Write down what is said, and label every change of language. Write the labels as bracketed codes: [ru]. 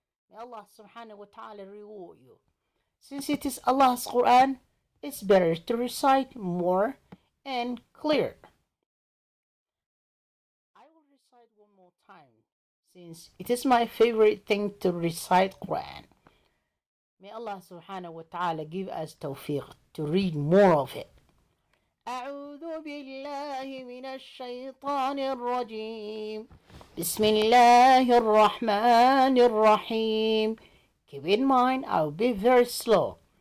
[en] May Allah subhanahu wa ta'ala reward you. Since it is Allah's Quran, it's better to recite more and clear. I will recite one more time, since it is my favorite thing to recite Quran. May Allah subhanahu wa ta'ala give us tawfiq to read more of it. [ar] أعوذ بالله من الشيطان الرجيم بسم الله الرحمن الرحيم. [en] Keep in mind, I'll be very slow.